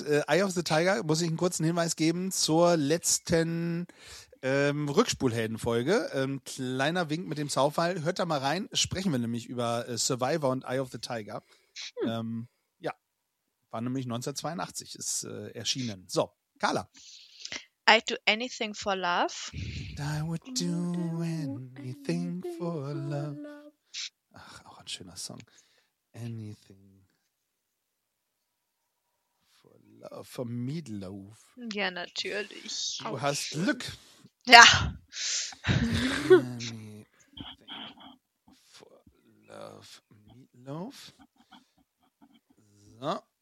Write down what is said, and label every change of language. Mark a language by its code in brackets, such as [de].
[de] Eye of the Tiger, muss ich einen kurzen Hinweis geben, zur letzten Rückspulhelden-Folge. Kleiner Wink mit dem Zaufall. Hört da mal rein. Sprechen wir nämlich über Survivor und Eye of the Tiger. Ja, war nämlich 1982, ist erschienen. So, Carla. [en] I'd do anything for love. And I would do anything for love. [de] Ach, auch ein schöner Song. [en] Anything. [de] Vom Meatloaf. Ja, natürlich. Du auch hast schön. Glück. Ja. [en] For love, Meatloaf. So.